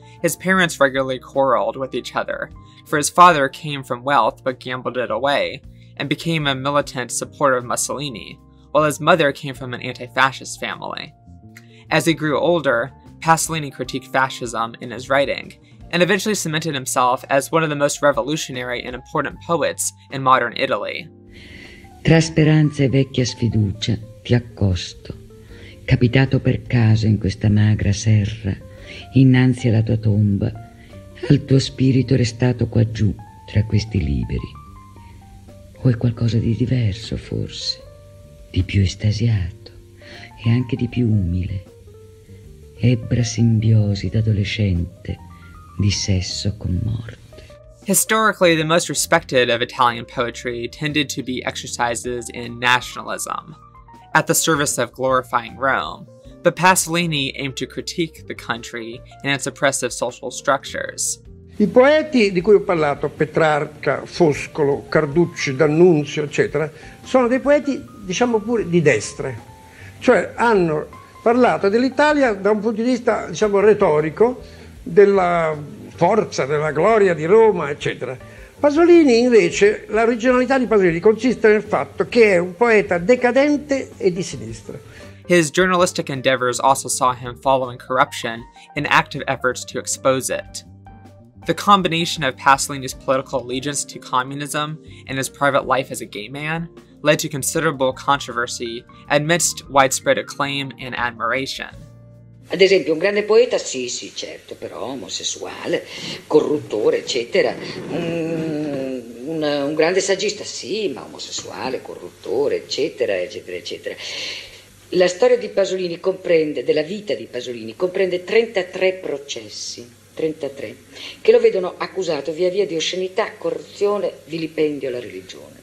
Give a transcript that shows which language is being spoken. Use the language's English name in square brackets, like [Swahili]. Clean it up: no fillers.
[English] His parents regularly quarreled with each other, for his father came from wealth but gambled it away, and became a militant supporter of Mussolini, while his mother came from an anti-fascist family. As he grew older, Pasolini critiqued fascism in his writing, and eventually cemented himself as one of the most revolutionary and important poets in modern Italy. [Italian] Tra speranza e vecchia sfiducia, ti accosto. Capitato per caso in questa magra serra, innanzi alla tua tomba, al tuo spirito restato qua giù, tra questi liberi. O è qualcosa di diverso, forse, di più estasiato e anche di più umile. Ebra simbiosi d'adolescente, di sesso con morte. [English] Historically, the most respected of Italian poetry tended to be exercises in nationalism, at the service of glorifying Rome, but Pasolini aimed to critique the country and its oppressive social structures. [Italian] I poeti di cui ho parlato, Petrarca, Foscolo, Carducci, D'Annunzio, eccetera, sono dei poeti, diciamo pure, di destra. Cioè, hanno parlato dell'Italia da un punto di vista, diciamo, retorico, della forza, della gloria di Roma, eccetera. Pasolini, invece, la originalità di Pasolini consiste nel fatto che è un poeta decadente e di sinistra. [English] His journalistic endeavors also saw him following corruption in active efforts to expose it. The combination of Pasolini's political allegiance to communism and his private life as a gay man led to considerable controversy amidst widespread acclaim and admiration. [Italian] Ad esempio, un grande poeta, sì, sì, certo, però omosessuale, corruttore, eccetera. Un grande saggista, sì, ma omosessuale, corruttore, eccetera, eccetera, eccetera. La storia di Pasolini comprende, della vita di Pasolini, comprende 33 processi, 33, che lo vedono accusato via via di oscenità, corruzione, vilipendio alla religione.